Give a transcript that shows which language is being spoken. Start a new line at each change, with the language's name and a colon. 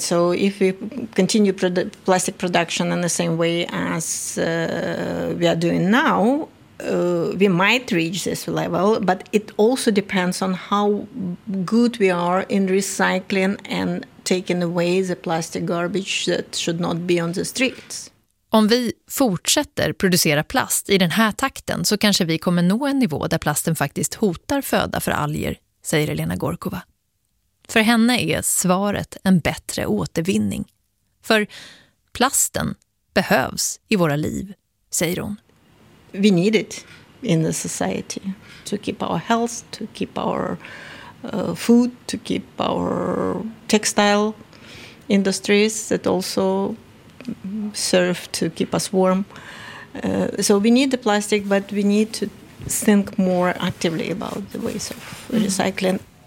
English: So if we continue plastic production in the same way as we are doing now, we might reach this level, but it also depends on how good we are in recycling and taking away the plastic garbage that should not be on the streets.
Swedish: Om vi fortsätter producera plast i den här takten så kanske vi kommer nå en nivå där plasten faktiskt hotar föda för alger, säger Elena Gorkova. För henne är svaret en bättre återvinning. För plasten behövs i våra liv, säger hon.
English: We need it in the society to keep our health, to keep our food, to keep our textile industries that also serve to keep us warm. So we need the plastic, but we need to think more actively about the ways of recycling.